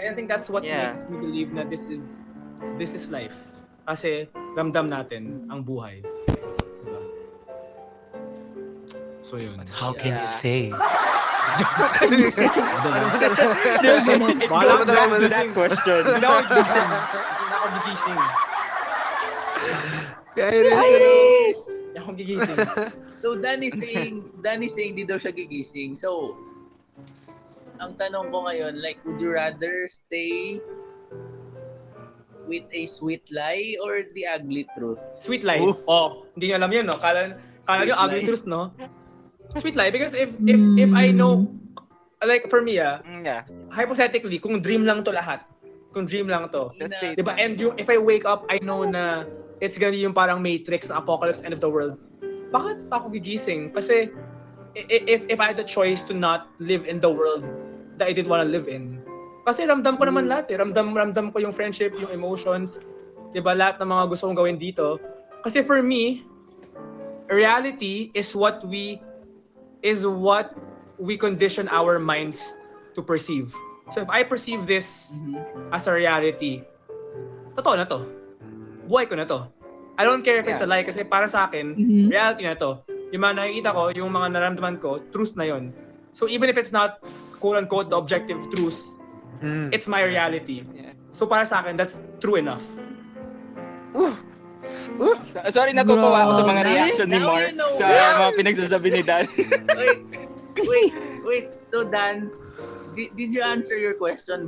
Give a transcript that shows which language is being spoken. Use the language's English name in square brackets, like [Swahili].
[English] And I think that's what makes me believe that this is life. [Filipino] Kasi ramdam natin ang buhay. Diba? So yun. [English] But how can you say? [Filipino] Walang sabi to that question. Hindi na ako gigising. Iris! Akong gigising. [English] So Danny saying [Filipino] di daw siya gigising. So ang tanong ko ngayon, [English] like, would you rather stay with a sweet lie or the ugly truth? Sweet lie. [Filipino] Oh, hindi niya alam 'yun, no. Kala niyo ugly truth, no? [English] Sweet lie, because if I know, like, for me, hypothetically, [Filipino] kung dream lang 'to lahat. Kung dream lang 'to. 'Di ba? [English] And if I wake up, I know na it's gonna be yung parang Matrix, apocalypse, end of the world. [Filipino] Bakit pa ako gigising? [English] Kasi if I had the choice to not live in the world that I didn't wanna live in. [Filipino] Kasi ramdam ko naman lahat eh. Ramdam ko yung friendship, yung emotions, diba, lahat ng mga gusto kong gawin dito. [English] Kasi for me, reality is what we condition our minds to perceive. So if I perceive this as a reality, [Filipino] totoo na to. Buhay ko na to. [English] I don't care if it's a lie, [Filipino] kasi para sa akin, reality na to. Yung mga nakikita ko, yung mga naramdaman ko, truth na yon. [English] So even if it's not, quote-unquote, the objective truth, it's my reality. [Filipino] So para sa akin, [English] that's true enough. [Filipino] Sorry, nakukuha ako sa mga reaction ni Mark sa mga pinagsasabi ni Dan. [English] Wait. So Dan, did you answer your question?